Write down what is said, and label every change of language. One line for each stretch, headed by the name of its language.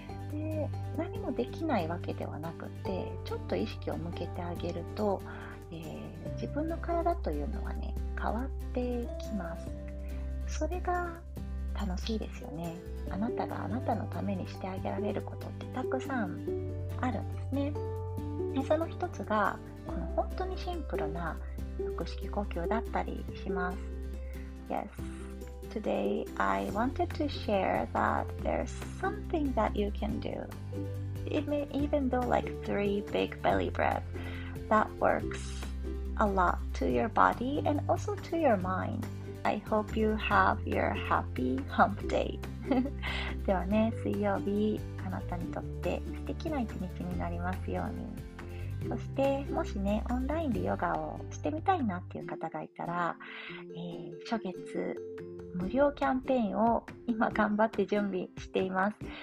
Japanese: で、何もできないわけではなくて、ちょっと意識を向けてあげると、自分の体というのはね、変わってきます。それが楽しいですよね。あなたがあなたのためにしてあげられることってたくさんあるんですね。で、その一つがこの本当にシンプルな腹式呼吸だったりします。
English: YesToday, I wanted to share that there's something that you can do. Even though like 3 big belly breaths, that works a lot to your body and also to your mind. I hope you have your happy hump day.
Japanese: ではね、水曜日、あなたにとって素敵な一日になりますように。そして、もしね、オンラインでヨガをしてみたいなっていう方がいたら、初月無料キャンペーンを今頑張って準備しています。